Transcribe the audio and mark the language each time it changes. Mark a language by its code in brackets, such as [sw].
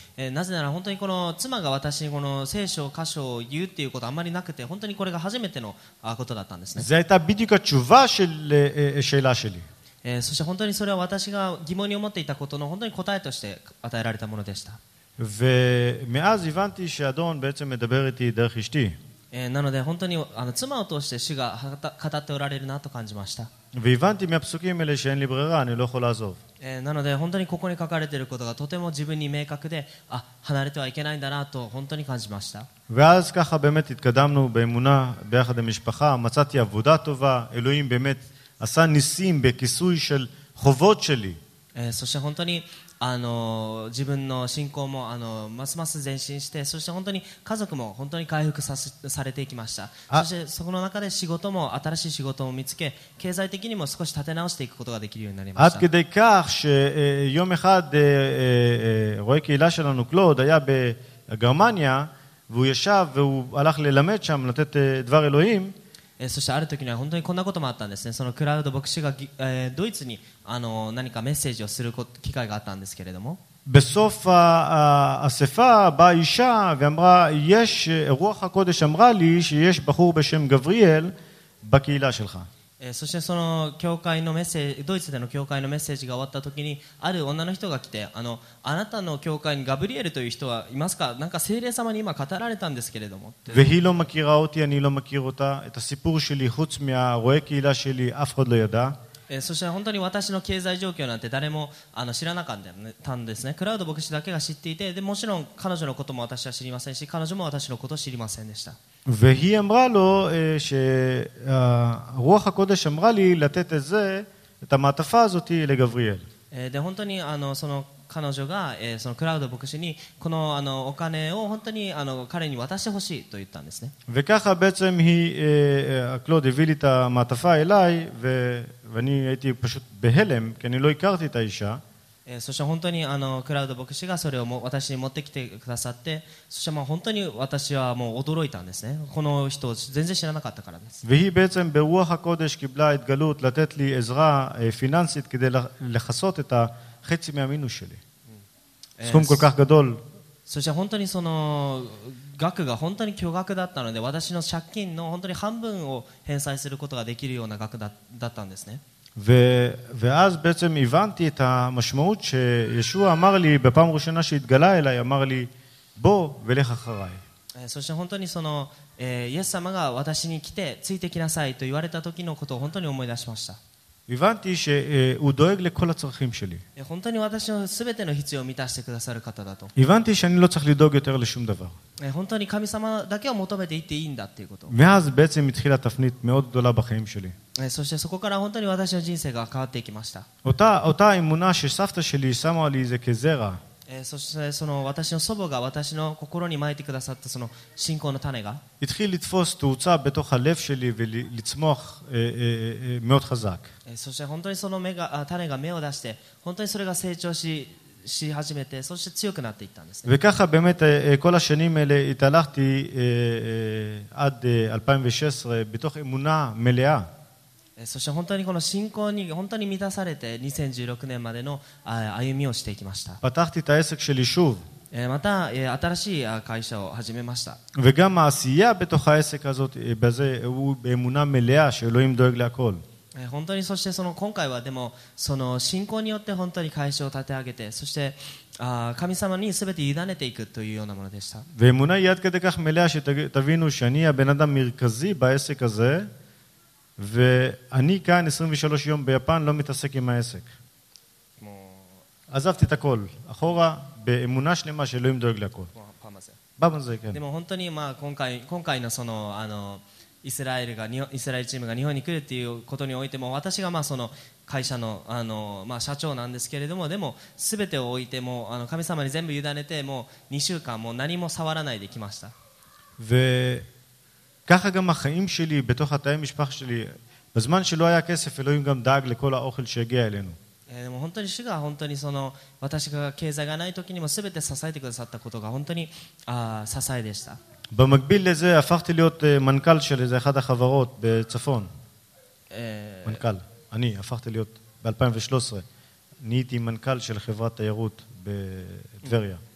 [ja] なぜなら本当にこの妻が私にこの聖書箇所を言うっていうことあんまりなくて、本当にこれが初めてのことだったんですね。 [he] זה הייתה בדיוק התשובה של השאלה שלי. [ja] そして本当にそれは私が疑問に思っていたことの本当に答えとして与えられたものでした。 [he] ומאז הבנתי שאדון בעצם מדבר איתי דרך אשתי. [ja] なので本当にあの妻を通して主が語っておられるなと感じました。 [he] והבנתי מהפסוקים האלה שאין לי ברירה, אני לא יכול לעזוב. [ja] なので本当にここに書かれていることがとても自分に明確で、あ、離れてはいけないんだなと本当に感じました。 [he] ואז ככה באמת התקדמנו באמונה ביחד המשפחה, מצאתי עבודה טובה, אלוהים באמת עשה ניסים בכיסוי של חובות שלי. [ja] そして本当にあの自分の信仰もあのますます前進して、そして本当に家族も本当に回復されていきました。そしてそこの中で仕事も新しい仕事を見つけ、経済的にも少し立て直していくことができるようになりました。 [he] עד כדי כך שיום אחד רואה קהילה שלנו קלוד היה בגרמניה והוא ישב והוא הלך ללמד שם לתת דבר אלוהים, [ja] そしてある時には本当にこんなこともあったんですね。そのクラウド牧師が、ドイツに何かメッセージをする機会があったんですけれども。 [he] בסוף האספה באה אישה ואמרה יש רוח הקודש אמרה לי שיש בחור בשם גבריאל בקהילה שלך. [ja] そしてその教会のメッセージ、ドイツでの教会のメッセージが終わった時にある女の人が来て、あなたの教会にガブリエルという人はいますか？なんか聖霊様に今語られたんですけれども。 [he] והיא לא מכירה אותי, אני לא מכיר אותה. את הסיפור שלי חוץ מהרועה קהילה שלי אף אחד לא ידע. [ja] そして本当に私の経済状況なんて誰も知らなかったんですね。クラウド牧師だけが知っていて、でもちろん彼女のことも私は知りませんし、彼女も私のことを知りませんでした。 [he] והיא אמרה לו שרוח הקודש אמרה לי לתת את זה, את המעטפה הזאת לגבריאל. [ja] で本当にその彼女がそのクラウド牧師にこのお金を本当に彼に渡してほしいと言ったんですね。 [he] וככה בעצם היא, הקלוד הביא לי את המעטפה אליי ו... ואני הייתי פשוט בהלם, כי אני לא הכרתי את האישה. [ja] そして本当にクラウド牧師がそれをも私に持ってきてくださって、そしてまあ本当に私はもう驚いたんですね。この人を全然知らなかったからです。 [he] והיא בעצם ברוח הקודש קיבלה התגלות לתת לי עזרה פיננסית כדי לחסות את החצי מהמינוס שלי. סכום כל כך גדול. [ja] そして本当にその額が本当に巨額だったので、私の借金の本当に半分を返済することができるような額だったんですね。 [he] ואז בעצם הבנתי את המשמעות שישוע אמר לי בפעם ראשונה שהתגלה אליי, אמר לי בוא ולך אחריי. [ja] そして本当にそのイエス様が私に来てついてきなさいと言われた時のことを本当に思い出しました。 [he] הבנתי שהוא דואג לכל הצרכים שלי. [ja] 本当に私の全ての必要を満たしてくださる方だと。 [he] הבנתי שאני לא צריך לדאוג יותר לשום דבר. [ja] 本当に神様だけを求めていっていいんだっていうこと。 [he] ואז בעצם התחילה תפנית מאוד גדולה בחיים שלי. [ja] そしてそこから本当に私の人生が変わっていきました。 [he] אותה אמונה שסבתא שלי שמה לי זה כזרע. [ja] そしてその私の祖母が私の心に撒いてくださったその信仰の種が。 [he] התחיל לתפוס תאוצה בתוך הלב שלי ולצמוח מאוד חזק. [ja] そして本当にその芽が種が芽を出して本当にそれが成長し始めてそして強くなっていったんですね。 [he] וככה באמת כל השנים האלה התהלכתי עד 2016 בתוך אמונה מלאה. [ja] そして本当にこの信仰に本当に満たされて2016年までの歩みをしていきました。 [he] פתחתי את העסק שלי שוב. [ja] また新しい会社を始めました。 [he] וגם העשייה בתוך העסק הזאת בזה הוא באמונה מלאה שאלוהים דואג להכל. [ja] 本当にそしてその今回はでもその信仰によって本当に会社を立て上げてそして神様に全て委ねていくというようなものでした。 [he] ואמונה היא עד כדי כך מלאה שתבינו שאני הבן אדם מרכזי בעסק הזה ואני כאן 23 יום ביפן לא מתעסק עם העסק. עזבתי את הכל אחורה באמונה שלמה שאלוהים דואג להכל. פעם הזה, כן. [ja] でも本当にまあ今回のそのイスラエルチームが日本に来るっていうことにおいても私がまあその会社 の, まあ社長なんですけれどもでも全てを置いてもう神様に全部委ねてもう2週間もう何も触らないで来ました。 [he] וככה גם החיים שלי בתוך התאי משפח שלי בזמן שלא היה כסף אלוהים גם דאג לכל האוכל שהגיע אלינו. [ja] でも本当に主が本当にその私が経済がない時にも全て支えてくださったことが本当に支えでした。 [he] במקביל לזה הפכתי להיות מנכ״ל של איזה אחד החברות בצפון. מנכ״ל. אני הפכתי להיות ב-2013. נהייתי מנכ״ל של חברת תיירות בטבריה.